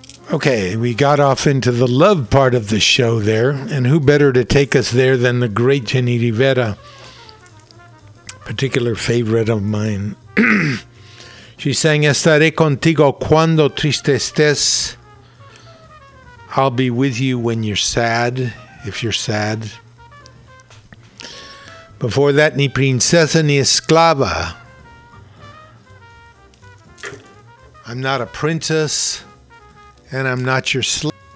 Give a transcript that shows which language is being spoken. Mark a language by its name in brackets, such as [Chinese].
[English] Okay, we got off into the love part of the show there, and who better to take us there than the great Jenny Rivera, particular favorite of mine. She sang, [Spanish] Estaré contigo cuando triste estés. [English] I'll be with you when you're sad, if you're sad. Before that, [Spanish] ni princesa ni esclava. [English] I'm not a princess. And I'm not your slave.